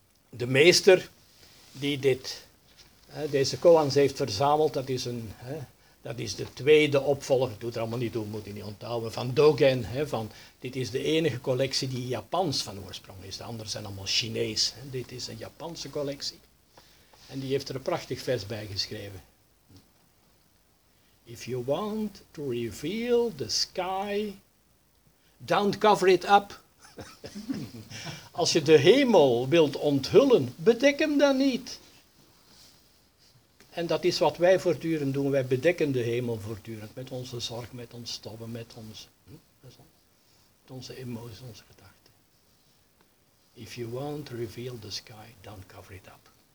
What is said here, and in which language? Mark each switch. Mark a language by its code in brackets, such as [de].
[nl] De meester die deze koans heeft verzameld, dat is de tweede opvolger, ik doe het er allemaal niet toe, moet je niet onthouden, van Dogen. Hè, van, dit is de enige collectie die Japans van oorsprong is, de anderen zijn allemaal Chinees. Hè, dit is een Japanse collectie. En die heeft er een prachtig vers bij geschreven. [en] If you want to reveal the sky, don't cover it up. [nl] Als je de hemel wilt onthullen, bedek hem dan niet. En dat is wat wij voortdurend doen. Wij bedekken de hemel voortdurend met onze zorg, met ons stoppen, met onze emoties, onze gedachten. [en] If you want to reveal the sky, don't cover it up.